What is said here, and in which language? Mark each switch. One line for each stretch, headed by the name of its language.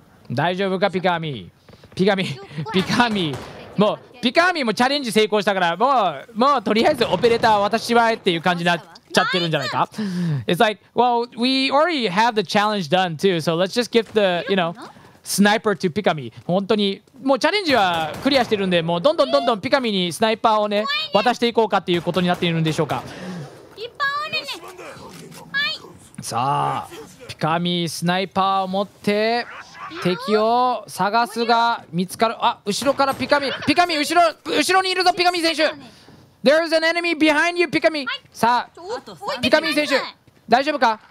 Japanese: 大丈夫かピカーミー。ピカーミーもうピカーミーもチャレンジ成功したから、もうとりあえずオペレーター渡しまえっていう感じなちゃってるんじゃないか。
English: It's like, well, we already have the challenge done too, so let's just give the, you know, sniper to Pikamee.
Japanese: 本当にもうチャレンジはクリアしてるんで、もうどんどんどんどんピカミにスナイパーをね渡していこうかっていうことになっているんでしょうか。いっぱいおるね。はい。さあ、ピカミスナイパーを持って。敵を探すが見つかる。あ、後ろからピカミ、ピカミ後ろにいるぞ。ピカミ選手、
English: There's an enemy behind you
Japanese: ピカミ、さあピカミ選手大丈夫か。